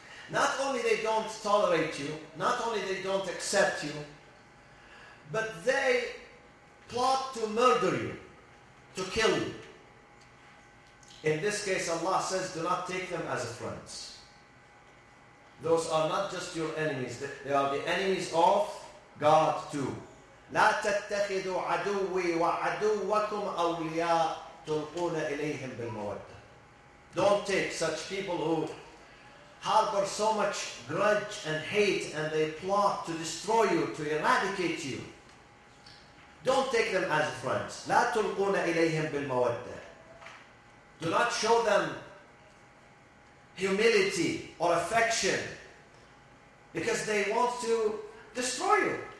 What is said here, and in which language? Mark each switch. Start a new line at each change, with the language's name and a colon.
English: Not only they don't tolerate you, not only they don't accept you, but they plot to murder you, to kill you. In this case, Allah says, do not take them as friends. Those are not just your enemies, they are the enemies of God too.
Arabic: لا تتخذوا عدوي وعدوكم أولياء تلقون إليهم بالمودة.
English: Don't take such people who harbor so much grudge and hate and they plot to destroy you, to eradicate you. Don't take them as friends.
Arabic: لا تلقون إليهم بالمودة.
English: Do not show them humility or affection because they want to destroy you.